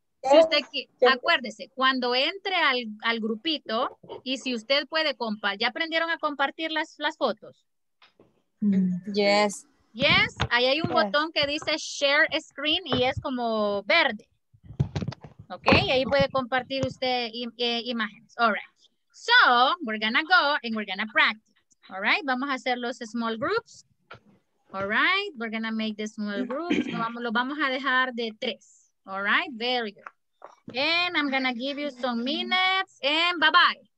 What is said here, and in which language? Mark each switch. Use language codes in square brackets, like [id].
[es] Si usted, acuérdese, cuando entre al grupito, y si usted puede compartir, ¿ya aprendieron a compartir las fotos? [en] Yes. [es] Yes, ahí hay un botón que dice share screen y es como verde. Ok, ahí puede compartir usted imágenes. [en] All right. So, we're gonna go and we're gonna practice. All right, [es] vamos a hacer los small groups. [en] All right, we're gonna make the small groups. [es] Lo vamos a dejar de tres. [en] All right, very good. And I'm gonna give you some minutes and bye bye.